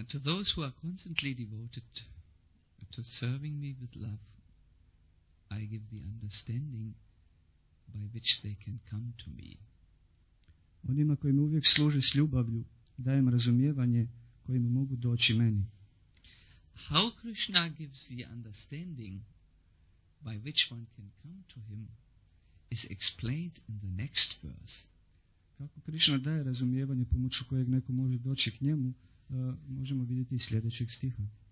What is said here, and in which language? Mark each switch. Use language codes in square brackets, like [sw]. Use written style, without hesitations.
[en] And to those who are constantly devoted to serving me with love, I give the understanding by which they can come to me. [bs] Onima koji me uvijek služe s ljubavlju, dajem razumijevanje kojim mogu doći meni. [en] How Krishna gives the understanding by which one can come to him is explained in the next verse. [bs] Kako Krishna daje razumijevanje pomoću kojeg neko može doći k njemu, možemo vidjeti iz sljedećeg stiha.